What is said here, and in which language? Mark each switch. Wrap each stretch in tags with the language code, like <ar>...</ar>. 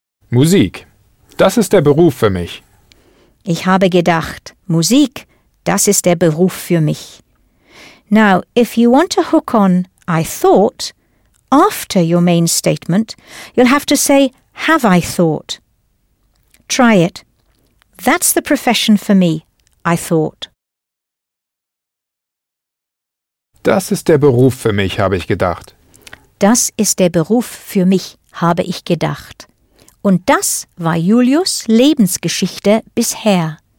<de>Musik, das ist der Beruf für mich. Ich habe gedacht, Musik, das ist der Beruf für mich.</de> <en>Now, if you want to hook on I thought, after your main statement, you'll have to say, have I thought? Try it. That's the profession for me, I thought.</en> <de>Das ist der Beruf für mich, habe ich gedacht. Das ist der Beruf für mich, habe ich gedacht. Und das war Julius' Lebensgeschichte bisher.</de>